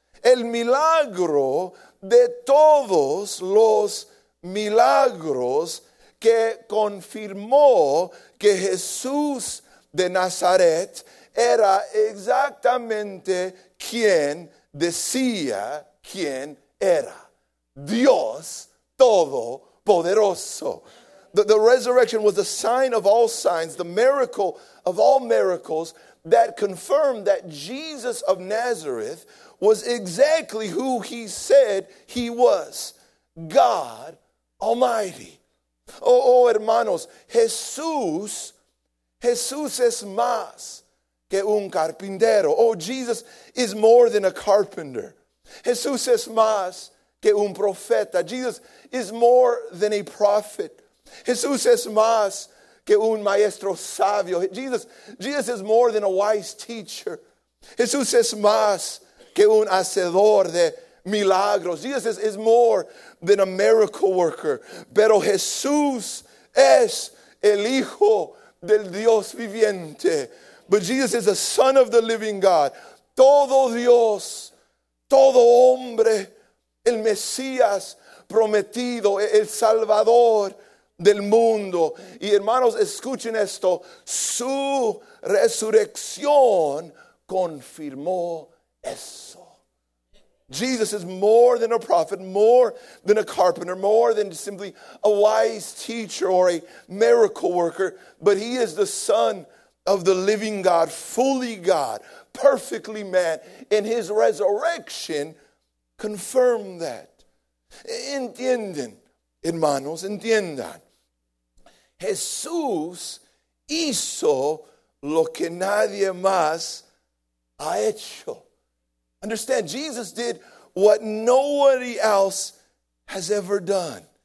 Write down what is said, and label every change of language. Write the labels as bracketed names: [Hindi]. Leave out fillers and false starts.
[Spanish] El milagro de todos los milagros que confirmó que Jesús de Nazaret era exactamente quien decía quien era. Dios Todopoderoso. [English] The resurrection was the sign of all signs, the miracle of all miracles that confirmed that Jesus of Nazareth was exactly who he said he was, God Almighty. [Spanish] Oh hermanos, Jesús es más que un carpintero. [English] Oh, Jesus is more than a carpenter. [Spanish] Jesús es más que un profeta. [English] Jesus is more than a prophet. [Spanish] Jesús es más que un maestro sabio. [English] Jesus is more than a wise teacher. [Spanish] Jesús es más que un hacedor de milagros. [English] Jesus is more than a miracle worker. [Spanish] Pero Jesús es el Hijo del Dios viviente. [English] But Jesus is the Son of the living God. [Spanish] Todo Dios, todo hombre, el Mesías prometido, el Salvador del mundo. Y hermanos, escuchen esto. Su resurrección confirmó eso. [English] Jesus is more than a prophet, more than a carpenter, more than simply a wise teacher or a miracle worker, but he is the Son of the living God, fully God, perfectly man, and his resurrection confirmed that. [Spanish] Entienden, hermanos, entiendan. Jesús hizo lo que nadie más ha hecho. [English] Understand, Jesus did what nobody else has ever done.